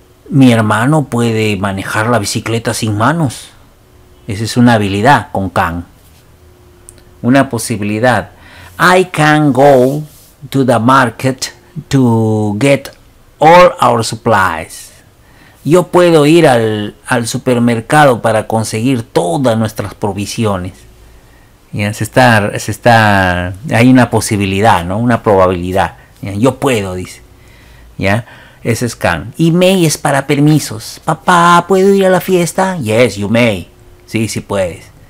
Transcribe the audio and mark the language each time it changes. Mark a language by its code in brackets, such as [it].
[es] Mi hermano puede manejar la bicicleta sin manos. Esa es una habilidad con can. Una posibilidad. [en] I can go to the market to get all our supplies. [es] Yo puedo ir al supermercado para conseguir todas nuestras provisiones. Yeah, se está hay una posibilidad, ¿no? Una probabilidad. Yeah, yo puedo, dice. ¿Ya? Yeah, ese es can. Y may es para permisos. Papá, ¿puedo ir a la fiesta? [en] Yes, you may. [es] Sí, sí puedes.